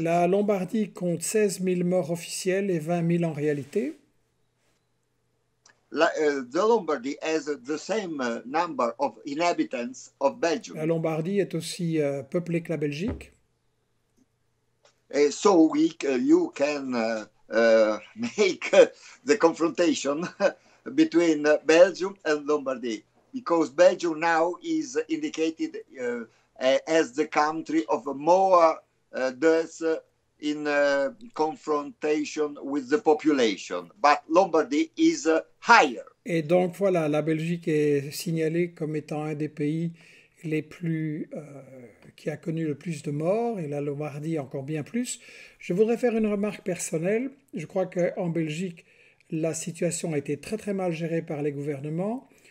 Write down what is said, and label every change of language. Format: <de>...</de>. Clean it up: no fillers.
<fr>La Lombardie compte 16 000 morts officiels et 20 000 en réalité.</fr> <en>The Lombardy has the same number of inhabitants of Belgium.</en> <fr>La Lombardie est aussi peuplée que la Belgique.</fr> <en>And so we, you can make the confrontation between Belgium and Lombardy, because Belgium now is indicated as the country of more deaths in confrontation with the population, but Lombardy is higher.</en> <fr>Et donc voilà, la Belgique est signalée comme étant un des pays les plus qui a connu le plus de morts, et la Lombardie encore bien plus. Je voudrais faire une remarque personnelle. Je crois qu'en Belgique, la situation a été très très mal gérée par les gouvernements.</fr>